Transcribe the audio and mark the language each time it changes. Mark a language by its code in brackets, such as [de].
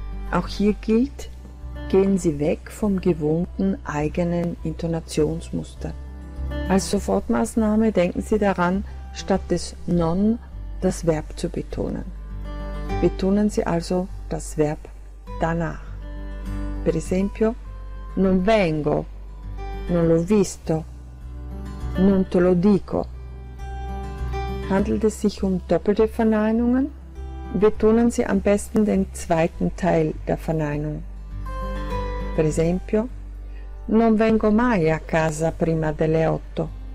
[de] Auch hier gilt, gehen Sie weg vom gewohnten eigenen Intonationsmuster. Als Sofortmaßnahme denken Sie daran, statt des Non das Verb zu betonen. Betonen Sie also das Verb danach. [it] Per esempio, non vengo, non l'ho visto, non te lo dico. [de] Handelt es sich um doppelte Verneinungen? Betonen Sie am besten den zweiten Teil der Verneinung. [it] Per esempio, non vengo mai a casa prima delle 8.